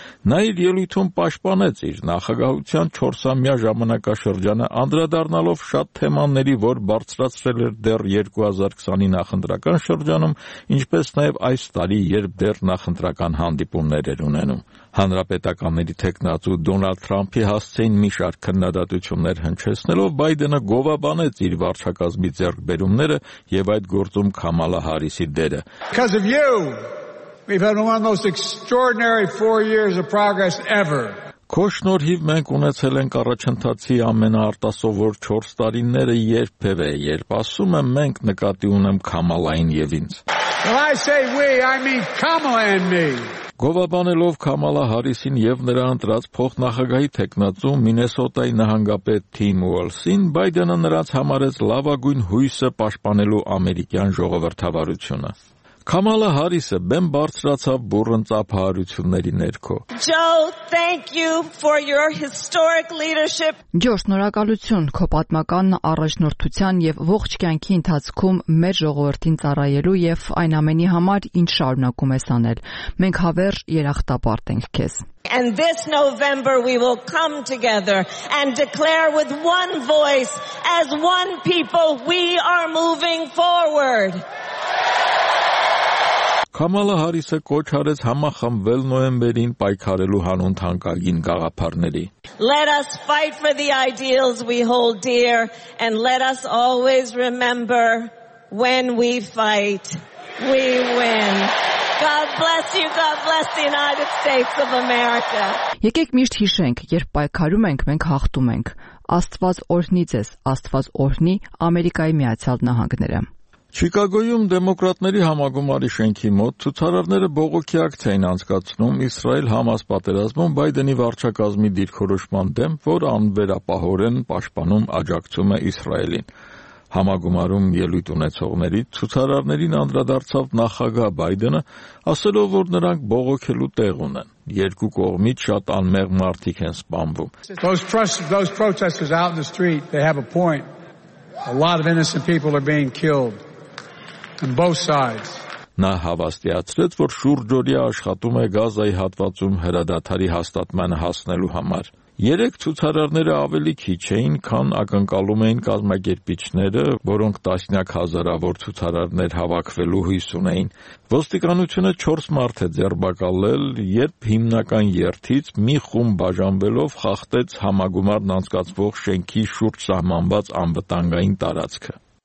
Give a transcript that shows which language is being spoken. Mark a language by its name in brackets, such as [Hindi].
[Armenian] Նա իր ելույթում պաշտպանեց իր նախագահության 4-ամյա ժամանակաշրջանը, անդրադառնալով շատ թեմաների, որ բարձրացրել էր դեռ 2020-ի նախընտրական շրջանում, ինչպես նաև այս տարի, երբ դեռ նախընտրական հանդիպումներ էր ունենում։ Հանրապետականների թեկնածու Դոնալդ Թրամփի հասցեին մի շարք քննադատություններ հնչեցնելով, Բայդենը գովաբանեց իր վարչակազմի ձեռքբերումները և այդ գործում Քամալա Հարիսի դերը։ [English] We've had one of the most extraordinary 4 years of progress ever. [Armenian] Քո շնորհիվ մենք ունեցել ենք առաջընթացի ամենաարտասովոր 4 տարիները երբևէ, երբ ասում եմ մենք նկատի ունեմ Քամալային եւ ինձ. [English] When I say we, I mean Kamala and me. [Armenian] Գովաբանելով Քամալա Հարիսին եւ նրա ընտրած փոխնախագահի թեկնածու Մինեսոտայի նահանգապետ Թիմ Ուոլսին, Բայդենը նրանց համարեց լավագույն հույսը պաշտպանելու ամերիկյան ժողովրդավարությունը։ Քամալա Հարիսը բեմ բարձրացավ բուրըն ծափահարությունների ներքո։ [English] Joe, thank you for your historic leadership. [Armenian] Ջո, շնորհակալություն քո պատմական առաջնորդության եւ ողջ կյանքի ընթացքում մեր ժողովրդին ծառայելու եւ այն ամենի համար, ինչ շարունակում ես անել։ Մենք հավերժ երախտապարտ ենք քեզ։ [English] And this November we will come together and declare with one voice as one people we are moving forward. [Armenian] Քամալա Հարիսը կոչ արեց համախմբել նոյեմբերին պայքարելու հանուն թանկագին գաղափարների։ [English] Let us fight for the ideals we hold dear and let us always remember when we fight we win. God bless you, God bless the United States of America. [Armenian] Եկեք միշտ հիշենք, երբ պայքարում ենք, մենք հաղթում ենք։ Աստված օրհնի ձեզ, Աստված օրհնի Ամերիկայի Միացյալ Նահանգները։ Չիկագոյում դեմոկրատների համագումարի շենքի մոտ ցուցարարները բողոքի ակցիա էին անցկացնում Իսրայել Համաս պատերազմում Բայդենի վարչակազմի դիրքորոշման դեմ, որ անվերապահորեն պաշտպանում աջակցում է Իսրայելին։ Համագումարում ելույթ ունեցողների ցուցարարներին անդրադարձավ նախագահ Բայդենը, ասելով, որ նրանք բողոքելու տեղ ունեն։ Երկու կողմից շատ անմեղ մարդիկ են սպանվում։ [English] Those protesters out in the street, they have a point. A lot of innocent people are being killed on both sides. [Armenian] Նա հավաստիացրեց, որ շուրջօրյա աշխատում է Գազայի հատվածում հրադադարի հաստատման հասնելու համար։ Երեք ցուցարարները ավելի քիչ էին, քան ակնկալում էին կազմակերպիչները, որոնք տասնյակ հազարավոր ցուցարարներ հավաքվելու հույս ունեին։ Ոստիկանությունը 4 մարտ է ձերբակալել, երբ հիմնական երթից մի խումբ բաժանվելով խախտեց համագումարն անցկացվող շենքի շուրջ սահմանված անվտանգային տարածքը։